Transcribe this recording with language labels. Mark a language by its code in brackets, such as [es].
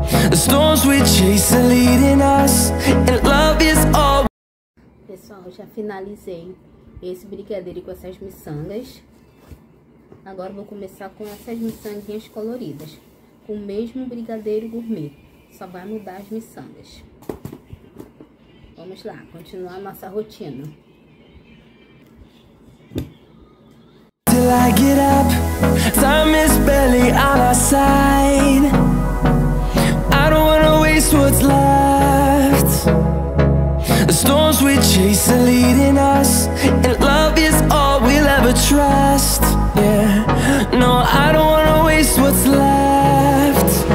[en] The storms we chase are leading us. And love is all. [pt] Pessoal, já finalizei esse brigadeiro com essas miçangas. Agora vou começar com essas miçanguinhas coloridas. Com o mesmo brigadeiro gourmet. Só vai mudar as miçangas. Vamos lá, continuar a nossa rotina. [en] Till I get up, time is barely on our side. I don't wanna waste what's left. The storms we chase are leading us. And love is all we'll ever trust. Yeah, no, I don't wanna waste what's left.